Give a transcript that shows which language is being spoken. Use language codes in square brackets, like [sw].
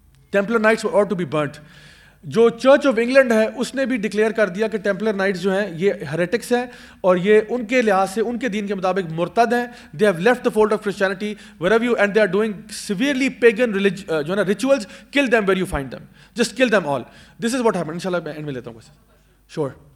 [en] Templar knights are to be burnt. [ur] جو church of England ہے اس نے بھی ڈکلیئر کر دیا کہ ٹیمپلر نائٹس جو ہیں یہ ہیریٹکس ہیں, اور یہ ان کے لحاظ سے ان کے دین کے مطابق مرتد ہیں. [en] they have left the fold of Christianity wherever you, and they are doing severely pagan religion [ur] جو ہے نا [en] Rituals. Kill them where you find them, just kill them all. This is what happen. [ur] ان شاء اللہ میں اینڈ میں لیتا ہوں. شور.